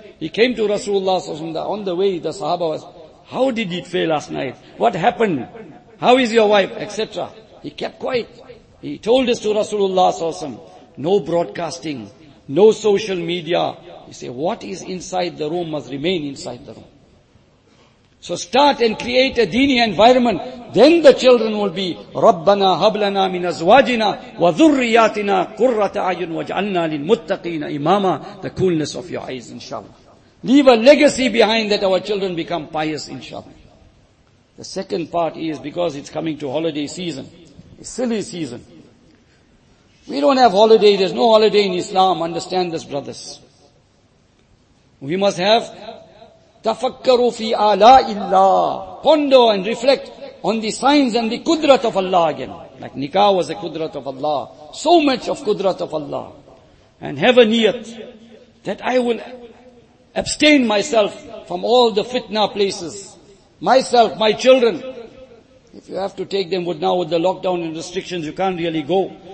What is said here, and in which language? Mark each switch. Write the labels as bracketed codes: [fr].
[en] He came to Rasulullah sallallahu alaihi wasallam. On the way, the Sahaba was, how did it fail last night? What happened? How is your wife? Etc. He kept quiet. He told this to Rasulullah sallallahu alaihi wasallam. No broadcasting. No social media. He said, what is inside the room must remain inside the room. So start and create a dini environment. Then the children will be, [ar] رَبَّنَا هَبْلَنَا مِنْ أَزْوَاجِنَا وَذُرِّيَاتِنَا قُرَّةَ عَيُّنْ وَجْعَلْنَا لِلْمُتَّقِينَ إِمَامًا. [en] The coolness of your eyes, inshallah. Leave a legacy behind that our children become pious, inshallah. The second part is, because it's coming to holiday season, a silly season. We don't have holiday, there's no holiday in Islam, understand this, brothers. We must have [ar] تفكروا في آلاء الله. [en] Ponder and reflect on the signs and the kudrat of Allah again. Like nikah was a kudrat of Allah. So much of kudrat of Allah. And have a niyat that I will abstain myself from all the fitna places. Myself, my children. If you have to take them now with the lockdown and restrictions, you can't really go.